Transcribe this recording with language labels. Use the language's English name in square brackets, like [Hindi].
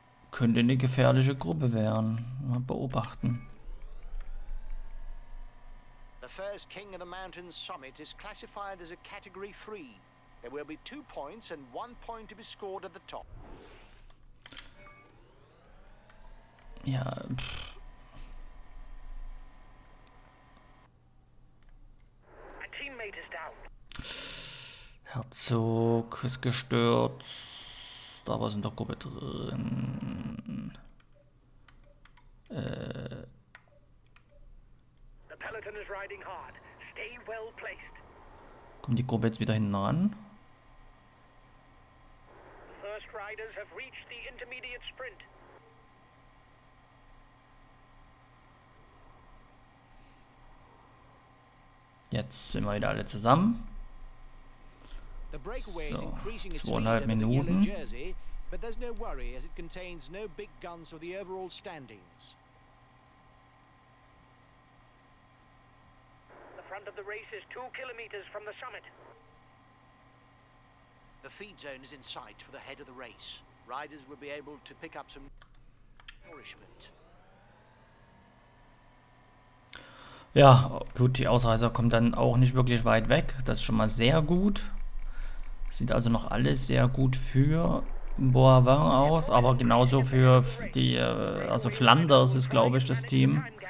[German] Könnte eine gefährliche Gruppe werden. Mal beobachten. [English] First King of the Mountains Summit is classified as a category 3. There will be 2 points and 1 point to be scored at the top. [German] Ja. [English] A teammate is down. [German] Herzog ist gestürzt. Da war es in der Gruppe drin. [English] Peloton is riding hard. Stay well placed. [German] Kommt die Gruppe jetzt wieder hinten ran? [English] The first riders have reached the intermediate sprint. [German] Jetzt sind wir wieder alle zusammen. [English] breakaway is increasing its speed in the New Jersey, but there's no worry as it contains no big guns for the overall standings. The front of the race is 2 kilometers from the summit. The feed zone is in sight for the head of the race. Riders will be able to pick up some nourishment. [German] Ja, gut, die Ausreißer kommt dann auch nicht wirklich weit weg. Das ist schon mal sehr gut. Sieht also noch alles sehr gut für Boivin aus, aber genauso für die, also Flanders ist, glaube ich, das Team.